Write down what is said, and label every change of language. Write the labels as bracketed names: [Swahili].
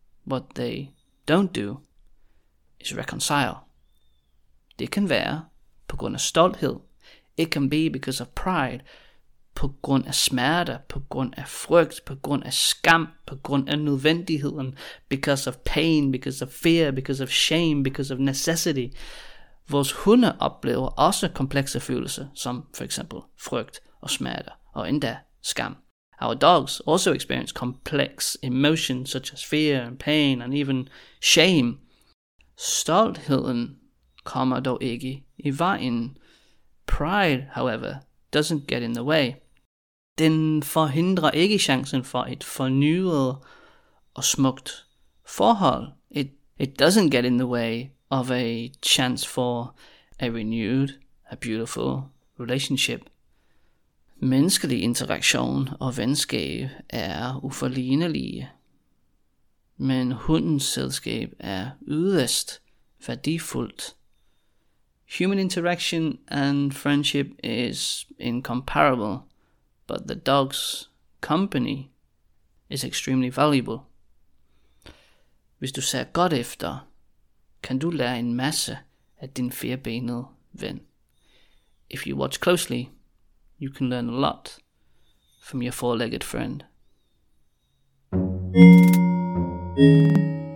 [English] What they don't do is reconcile. [Danish] Det kan være på grund af stolthed. [English] It can be because of pride. [Danish] På grund af smerte, på grund af frygt, på grund af skam, på grund af nødvendigheden. [English] Because of pain, because of fear, because of shame, because of necessity. [Danish] Vores hunde oplever også komplekse følelser, som for eksempel frygt og smerte og endda skam. [English] Our dogs also experience complex emotions such as fear and pain and even shame. [Danish] Stoltheden kommer dog ikke i vejen. [English] Pride, however, doesn't get in the way. [Danish] Den forhindrer ikke chancen for et fornyet og smukt forhold. [English] It doesn't get in the way of a chance for a renewed, a beautiful relationship. [Danish] Menneskelig interaktion og venskab er uforlignelige, men hundens selskab er yderst værdifuldt. [English] Human interaction and friendship is incomparable, but the dog's company is extremely valuable. [Danish] Hvis du ser godt efter, kan du lære en masse af din firbenede ven. [English] If you watch closely, you can learn a lot from your four-legged friend.